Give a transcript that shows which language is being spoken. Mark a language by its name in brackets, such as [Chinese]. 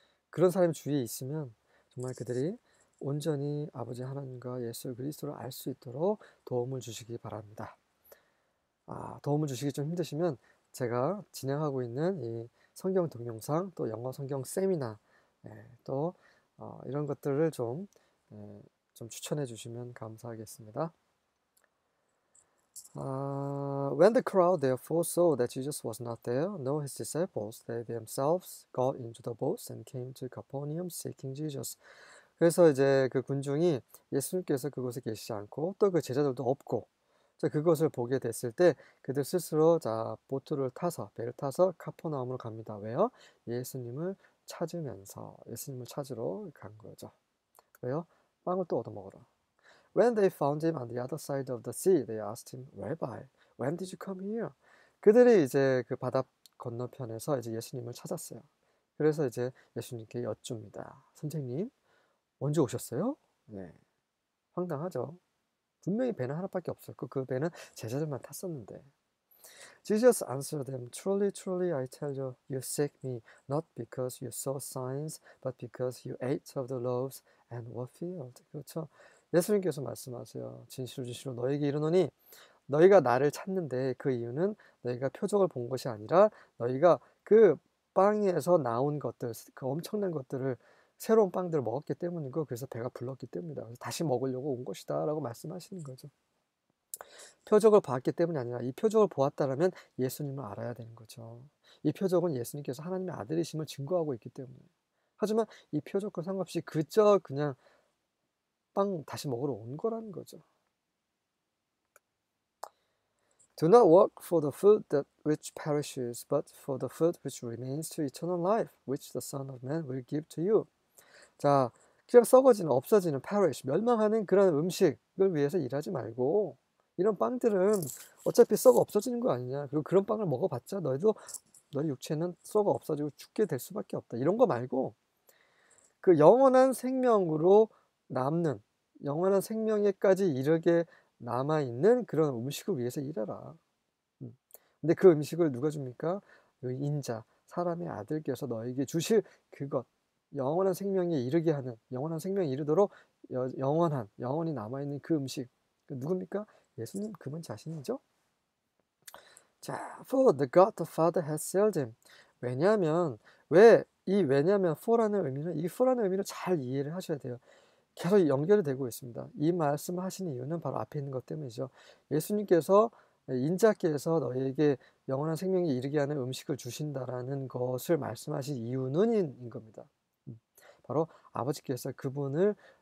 [Korean] 그런 사람이 주위에 있으면 정말 그들이 온전히 아버지 하나님과 예수 그리스도를 알수 있도록 도움을 주시기 바랍니다. 도움을 주시기 좀 힘드시면 제가 진행하고 있는 이 성경 동영상 또 영어 성경 세미나 또 이런 것들을 좀 추천해 주시면 감사하겠습니다. [English] When the crowd therefore saw that Jesus was not there, nor his disciples, they themselves got into the boats and came to Capernaum seeking Jesus. [Korean] 그래서 이제 그 군중이 예수님께서 그곳에 계시지 않고 또그 제자들도 없고 그것을 보게 됐을 때 그들 스스로 보트를 타서 배를 타서 카퍼나움으로 갑니다. 왜요? 예수님을 찾으면서 예수님을 찾으러 간 거죠. 왜요? 빵을 또 얻어 먹으러. [English] When they found him on the other side of the sea, they asked him, Rabbi, when did you come here? [Korean] 그들이 이제 그 바다 건너편에서 이제 예수님을 찾았어요. 그래서 이제 예수님께 여쭙니다. 선생님, 언제 오셨어요? 네. 황당하죠. 분명히 배는 하나밖에 없었고 그 배는 제자들만 탔었는데. [English] Jesus answered them, Truly, truly, I tell you, you seek me not because you saw signs, but because you ate of the loaves and were filled. [Korean] 그렇죠? 예수님께서 말씀하세요. 진실로 진실로 너에게 이르노니 너희가 나를 찾는데 그 이유는 너희가 표적을 본 것이 아니라 너희가 그 빵에서 나온 것들, 그 엄청난 것들을 새로운 빵들을 먹었기 때문이고, 그래서 배가 불렀기 때문이다. 그래서 다시 먹으려고 온 것이다. 라고 말씀하시는 거죠. 표적을 봤기 때문이 아니라, 이 표적을 보았다라면 예수님을 알아야 되는 거죠. 이 표적은 예수님께서 하나님의 아들이심을 증거하고 있기 때문이에요. 하지만 이 표적과 상관없이 그저 그냥 빵 다시 먹으러 온 거라는 거죠. [English] Do not work for the food that which perishes, but for the food which remains to eternal life, which the Son of Man will give to you. [Korean] 자, 그냥 썩어지는, 없어지는, perish, 멸망하는 그런 음식을 위해서 일하지 말고, 이런 빵들은 어차피 썩어 없어지는 거 아니냐. 그리고 그런 빵을 먹어봤자 너희 육체는 썩어 없어지고 죽게 될 수밖에 없다. 이런 거 말고, 그 영원한 생명으로 남는, 영원한 생명에까지 이르게 남아있는 그런 음식을 위해서 일하라. 근데 그 음식을 누가 줍니까? 인자, 사람의 아들께서 너에게 주실 그것. 영원한 생명에 이르게 하는, 영원한 생명에 이르도록 영원한, 영원히 남아있는 그 음식. 누굽니까? 예수님, 그분 자신이죠? [English] 자, for the God the Father has sealed him. [Korean] 왜냐하면, 왜, 이 왜냐하면 for라는 의미는, 이 for라는 의미를 잘 이해를 하셔야 돼요. 계속 연결이 되고 있습니다. 이 말씀을 하신 이유는 바로 앞에 있는 것 때문이죠. 예수님께서 인자께서 너에게 영원한 생명에 이르게 하는 음식을 주신다라는 것을 말씀하신 이유는 인 겁니다. 바로 아버지께서 그분을